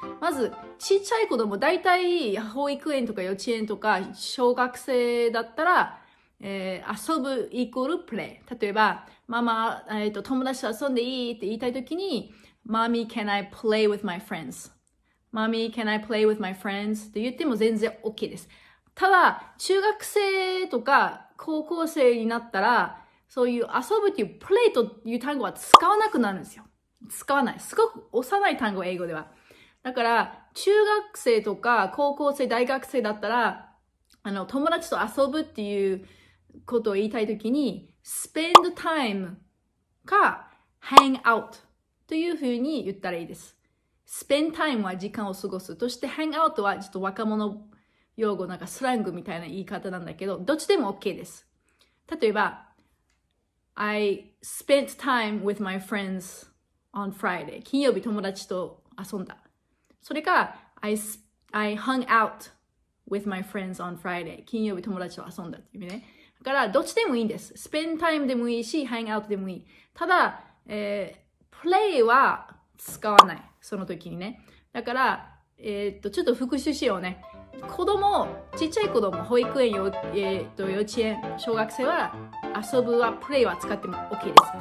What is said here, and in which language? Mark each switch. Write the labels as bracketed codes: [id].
[ja] まず、ちっちゃい子供、だいたい保育園とか幼稚園とか小学生だったら、遊ぶイコールプレイ。例えば、ママ、友達と遊んでいいって言いたいときに、 [en] Mommy, can I play with my friends? Mommy, can I play with my friends? [ja] って言っても全然 OK です。ただ、中学生とか高校生になったら、そういう遊ぶというプレイという単語は使わなくなるんですよ。使わない。すごく幼い単語、英語では。だから、中学生とか高校生、大学生だったら、友達と遊ぶっていうことを言いたいときに、spend time か hang out というふうに言ったらいいです。 spend time は時間を過ごす。そして hang out はちょっと若者用語、なんかスラングみたいな言い方なんだけど、どっちでも OK です。 [en] 例えば、I spent time with my friends on Friday. [ja] 金曜日友達と遊んだ。 [en] それか、I hung out. With my friends on Friday. [ja] 金曜日友達と遊んだっていう意味ね。だからどっちでもいいんです。 Spend time でもいいし、Hang out でもいい。ただ、Play は使わない。その時にね。だから、ちょっと復習しようね。子供、ちっちゃい子供、保育園、幼稚園、小学生は遊ぶは Play は使っても OK です。